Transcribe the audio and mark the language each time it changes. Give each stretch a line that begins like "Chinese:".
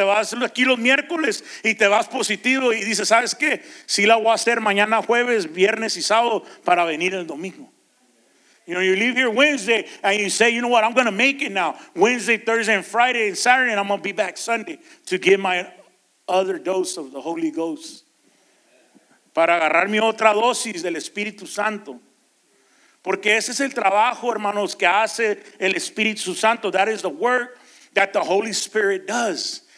Spanish: Te vas aquí los miércoles y te vas positivo y dices, ¿sabes qué? Sí la voy a hacer mañana jueves, viernes y sábado para venir el domingo.
English: You know, you leave here Wednesday and you say, you know what, I'm going to make it now. Wednesday, Thursday, and Friday, and Saturday, and I'm going to be back Sunday to get my other dose of the Holy Ghost.
Spanish: Para agarrar mi otra dosis del Espíritu Santo. Porque ese es el trabajo, hermanos, que hace el Espíritu Santo.
English: That is the work that the Holy Spirit does.